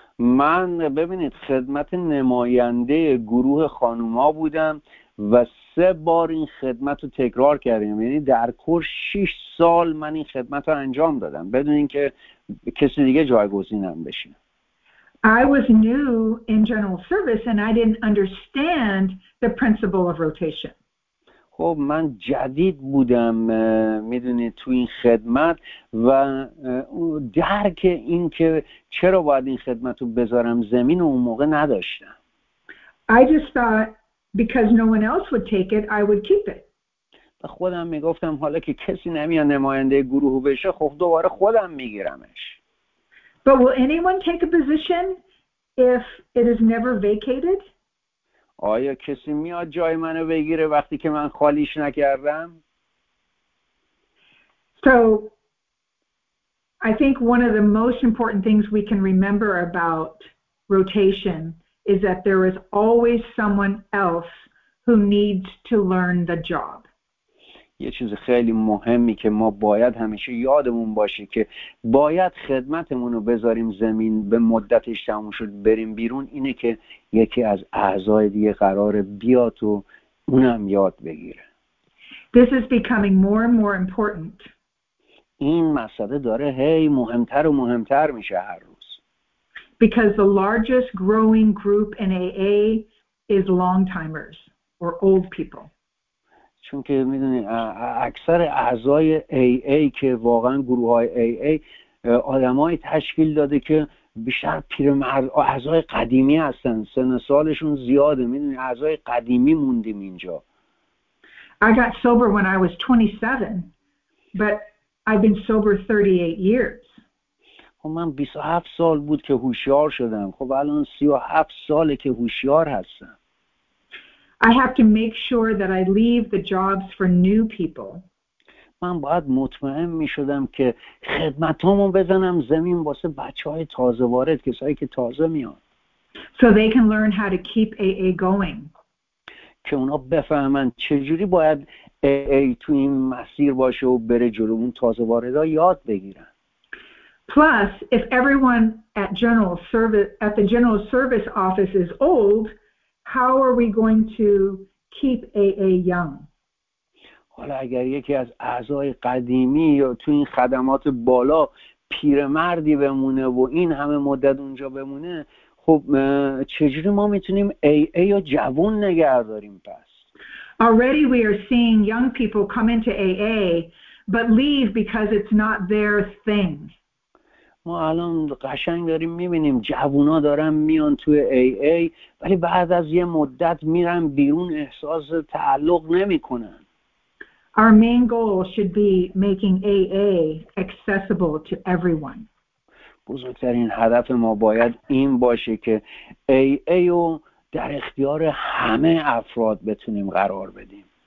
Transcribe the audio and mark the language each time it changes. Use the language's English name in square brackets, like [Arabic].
[Persian] من ببینید خدمت نماینده گروه خانوما بودم و 3 بار این خدمت رو تکرار کردیم، یعنی در کل 6 سال من این خدمت رو انجام دادم بدون اینکه کسی دیگه جایگزینم بشه. [English] I was new in general service and I didn't understand the principle of rotation. [Persian] خب من جدید بودم میدونی تو این خدمت و درک این که چرا باید این خدمت رو بذارم زمین اون موقع نداشتم. [English] I just thought because no one else would take it, I would keep it. [Persian] به خودم میگفتم حالا که کسی نمیاد نماینده گروه بشه، خب دوباره خودم میگیرمش. [English] But will anyone take a position if it is never vacated? [Persian] آیا کسی میاد جای منو بگیره وقتی که من خالیش نکردم؟ [English] So I think one of the most important things we can remember about rotation is that there is always someone else who needs to learn the job. [Persian] یه چیز خیلی مهمی که ما باید همیشه یادمون باشه که باید خدمتمون رو بذاریم زمین، به مدتش تموم شد بریم بیرون، اینه که یکی از اعضای دیگه قراره بیاد و اونم یاد بگیره. [English] This is becoming more and more important. [Persian] این مسئله داره هی مهمتر و مهمتر میشه هر روز. [English] Because the largest growing group in AA is long-timers or old people. [Persian] چون که میدونی اکثر اعضای AA که واقعا گروه های AA آدم های تشکیل داده که بیشتر پیرمرد اعضای قدیمی هستن، سن و سالشون زیاده، میدونی اعضای قدیمی موندیم اینجا. [English] I got sober when I was 27 but I've been sober 38 years. [Persian] خب من 27 سال بود که هوشیار شدم، خب الان 37 ساله که هوشیار هستم. [English] I have to make sure that I leave the jobs for new people. [Persian] من باید مطمئن می‌شدم که خدمتامو بزنم زمین واسه بچه‌های تازه وارد، کسایی که تازه میان. [English] So they can learn how to keep AA going. [Persian] که اونا بفهمن چجوری باید AA تو این مسیر باشه و بره جلو، اون تازه واردا یاد بگیرن. [English] Plus, if everyone at the general service office is old, how are we going to keep AA young? [Persian] حالا اگر یکی از اعضای قدیمی یا تو این خدمات بالا پیرمردی بمونه و این همه مدت اونجا بمونه، خب چجوری ما میتونیم AA رو جوان نگه داریم پس؟ [English] Already we are seeing young people come into AA but leave because it's not their thing. [Persian] ما الان قشنگ داریم میبینیم جوونا دارن میان توی AA ولی بعد از یه مدت میرن بیرون، احساس تعلق نمی کنن. [English] Our main goal should be making AA accessible to everyone. [Persian] بزرگترین هدف ما باید این باشه که AA رو در اختیار همه افراد بتونیم قرار بدیم.